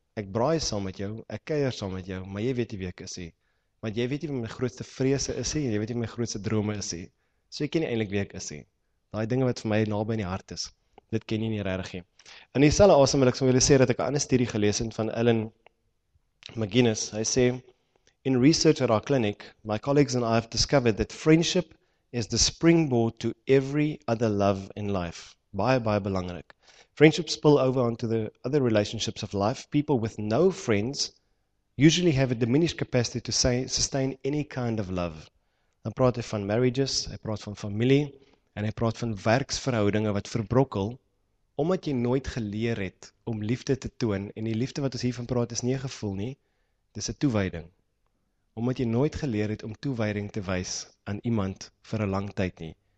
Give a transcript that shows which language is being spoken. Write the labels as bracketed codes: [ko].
[af] Ek braai saam met jou, ek kuier saam met jou, maar jy weet nie wie ek is nie. Want jy weet nie wat my grootste vrese is nie, jy weet nie wat my grootste drome is nie. So jy ken nie eintlik wie ek is nie. Daai dinge wat vir my naby in die hart is, dit ken jy nie regtig nie. In dieselfde asem wil ek sommer sê dat ek 'n ander studie gelees het van Alan McGuinness. Hy sê, [en] in research at our clinic, my colleagues and I have discovered that friendship is the springboard to every other love in life. [af] Baie, baie belangrik. [en] Friendships spill over onto the other relationships of life. People with no friends usually have a diminished capacity to sustain any kind of love. [af] Dan praat hy van marriages, hy praat van familie, en hy praat van werksverhoudinge wat verbrokkel, omdat jy nooit geleer het om liefde te toon, en die liefde wat ons hiervan praat is nie 'n gevoel nie, dis 'n toewyding. Omdat jy nooit geleer het om toewyding te wys aan iemand vir 'n lang tyd nie.